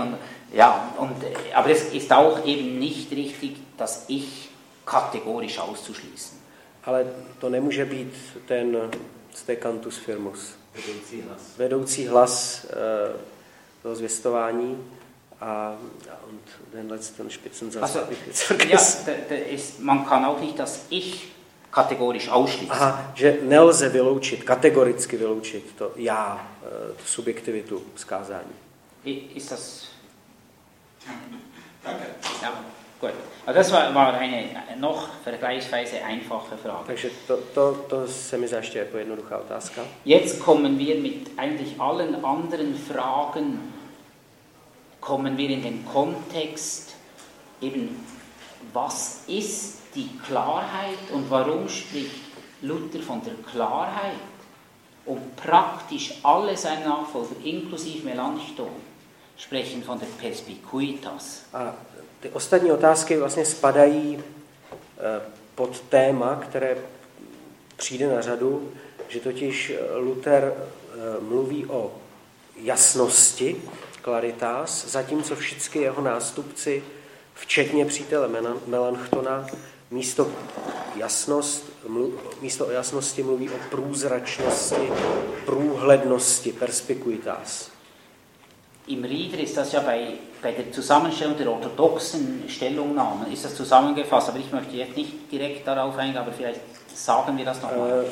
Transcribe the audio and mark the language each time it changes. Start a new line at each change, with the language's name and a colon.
German: Und, ja, und, aber es ist auch eben nicht richtig, dass ich kategorisch auszuschließen.
Czech: Ale to nemůže být ten Cantus Firmus. Vedoucí hlas. Vedoucí hlas toho zvěstování.
German: A und den letzten Spitzensatz also, ja, man kann auch nicht das Ich kategorisch ausschließen.
Czech: Aha, že nelze vyloučit, kategoricky vyloučit to já, tu subjektivitu z kázání.
German: Ist das... Danke. Ja, gut. Also das war eine noch vergleichsweise einfache Frage.
Czech: Takže to se mi zdá ještě jako jednoduchá otázka.
German: Jetzt kommen wir mit eigentlich allen anderen Fragen, kommen wir in den Kontext eben, was ist die Klarheit und warum spricht Luther von der Klarheit? Und praktisch alle seine Nachfolger, inklusive Melanchthon, sprechen von der Perspicuitas.
Czech: A ty ostatní otázky vlastně spadají pod téma, které přijde na řadu, že totiž Luther mluví o jasnosti, claritas, zatímco všichni jeho nástupci, včetně přítele Melanchtona, místo o jasnosti mluví o průzračnosti, průhlednosti, perspicuitas.
German: Im Rieder ist das ja bei der Zusammenstellung der orthodoxen Stellungnahmen ist das zusammengefasst, aber ich möchte jetzt nicht direkt darauf eingehen, aber vielleicht sagen wir das nochmal.